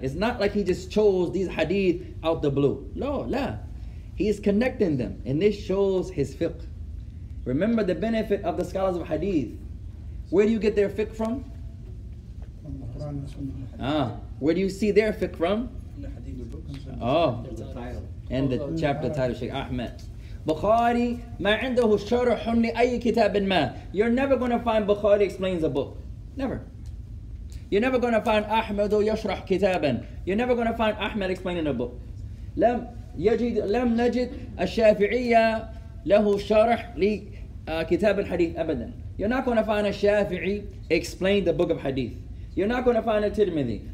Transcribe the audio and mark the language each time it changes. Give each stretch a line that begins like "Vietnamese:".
English: It's not like he just chose these hadith out the blue. No, la. He is connecting them, and this shows his fiqh. Remember the benefit of the scholars of hadith. Where do you get their fiqh from? From the Quran and Sunnah. Ah. Where do you see their fiqh from? The hadith, the book, and the title. And the chapter title, Sheikh Ahmed.
Arabic: Bukhari, ما عنده شرح لأي كتاب ما.
English: You're never going to find Bukhari explains a book. Never. You're never going to find Ahmed
Arabic: يشرح كتابا.
English: You're never going to find Ahmed explaining a book.
Arabic: لم نجد الشافعية له شرح لكتاب الحديث أبدا.
English: You're not going to find a Shafi'i explain the book of Hadith. You're not going to find a Tirmidhi.